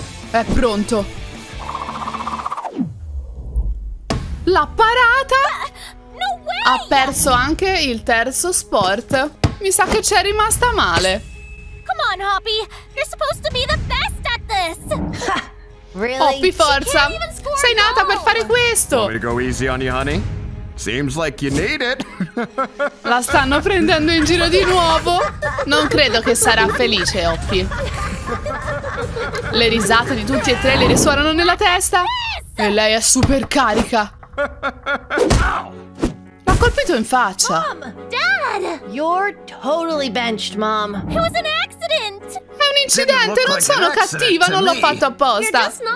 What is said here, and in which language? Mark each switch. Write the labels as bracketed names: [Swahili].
[Italian] È pronto. L'ha parata. Ha perso anche il terzo sport. Mi sa che c'è rimasta male. [English] Come on, Hoppy. You're supposed to be the best at this. [Italian] Hoppy, forza. Sei nata per fare questo. [English] Want me to go easy on you, honey? Seems like you need it. [Italian] La stanno prendendo in giro di nuovo. Non credo che sarà felice, Hoppy. Le risate di tutti e tre le risuonano nella testa. E lei è super carica. L'ha colpito in faccia. [English] Mom, Dad, you're totally benched, Mom. It was an accident. [Italian] È un incidente, non sono cattiva, non l'ho fatto apposta.